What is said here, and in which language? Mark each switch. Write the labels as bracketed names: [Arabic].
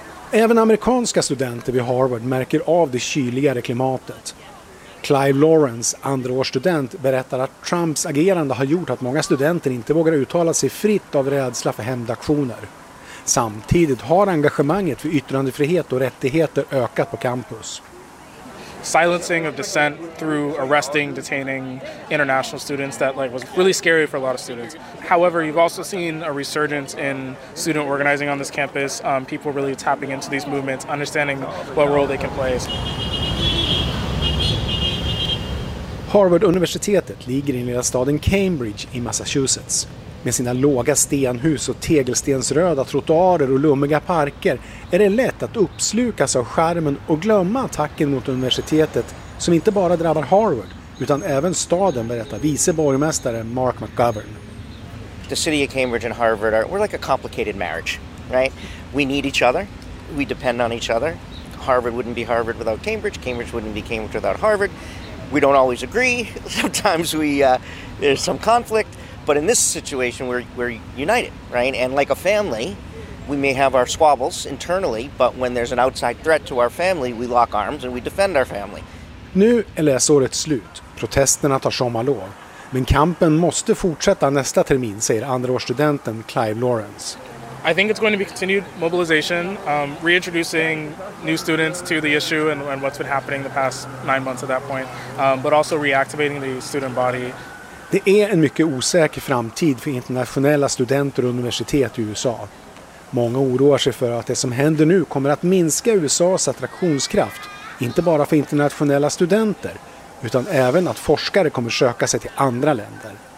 [Swedish] Även amerikanska studenter vid Harvard märker av det kyligare klimatet. Clive Lawrence, andraårsstudent, berättar att Trumps agerande har gjort att många studenter inte vågar uttala sig fritt av rädsla för hämndaktioner. Samtidigt har engagemanget för yttrandefrihet och rättigheter ökat på campus. [English] Silencing of dissent through arresting, detaining international students, that was really scary for a lot of students. However, you've also seen a resurgence in student organizing on this campus, people really tapping into these movements, understanding what role they can play. [Swedish] Harvard-universitetet ligger i nya staden Cambridge i Massachusetts. Med sina låga stenhus och tegelstensröda trottoarer och lummiga parker är det lätt att uppslukas av skärmen och glömma attacken mot universitetet som inte bara drabbar Harvard utan även staden, berättar viceborgmästare Mark McGovern. [English] The city of Cambridge and Harvard we're like a complicated marriage, right? We need each other. We depend on each other. Harvard wouldn't be Harvard without Cambridge. Cambridge wouldn't be Cambridge without Harvard. We don't always agree. Sometimes there's some conflict, but in this situation we're united, right? And like a family, we may have our squabbles internally, but when there's an outside threat to our family, we lock arms and we defend our family. [Swedish] Nu är läsåret slut. Protesterna tar sommarlov, men kampen måste fortsätta nästa termin, säger andraårsstudenten Clive Lawrence. [English] I think it's going to be continued mobilization, reintroducing new students to the issue and what's been happening the past 9 months at that point, but also reactivating the student body. [Swedish] Det är en mycket osäker framtid för internationella studenter och universitet i USA. Många oroar sig för att det som händer nu kommer att minska USAs attraktionskraft, inte bara för internationella studenter, utan även att forskare kommer söka sig till andra länder.